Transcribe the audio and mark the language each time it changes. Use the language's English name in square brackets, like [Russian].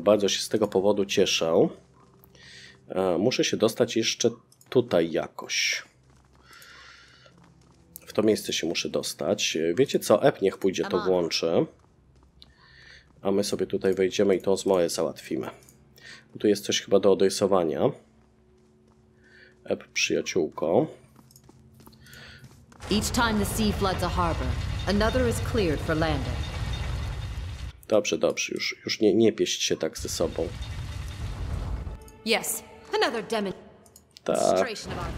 [Polish] Bardzo się z tego powodu cieszę. Muszę się dostać jeszcze tutaj jakoś. W to miejsce się muszę dostać. Wiecie co? App niech pójdzie, to włączy. A my sobie tutaj wejdziemy i tą zmorę załatwimy. Tu jest coś chyba do odrysowania. App przyjaciółko. [English] Each time the sea floods a harbor, another is cleared for landing. [Polish] Dobrze, dobrze, już nie pieść się tak ze sobą. [English] Yes, another demonstration.